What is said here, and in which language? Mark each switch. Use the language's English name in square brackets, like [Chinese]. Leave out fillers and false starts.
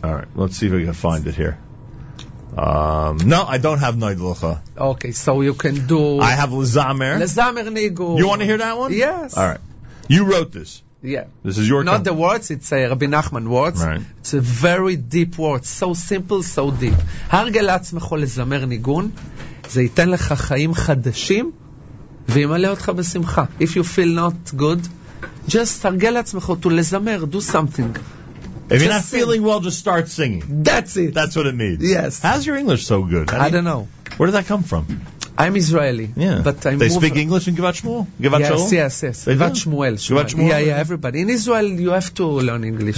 [English] All right. Let's see if we can find it here. No, I don't have Noi Delechu. Okay, so you can do... I have Lezamer. Lezamer Nigu. You want to hear that one? Yes. All right. You wrote this. Yeah. This is your not the words, it's a Rabbi Nachman words. Right. It's a very deep word, so simple, so deep. [Hebrew] הרגל עצמך לזמר ניגון, זה ייתן לך חיים חדשים וימלא אותך בשמחה. [English] If you feel not good, just [Hebrew] הרגל עצמך [English] to [Hebrew] לזמר, [English] do something. If you're not feeling well, just start singing. That's it. That's what it means. Yes. How's your English so good? I don't know. Where did that come from? I'm Israeli. Yeah. But I'm they speak English in Givat Shmuel? Givat Shmuel? Yes. Givat Shmuel. Givat Shmuel? Yeah, everybody. In Israel, you have to learn English.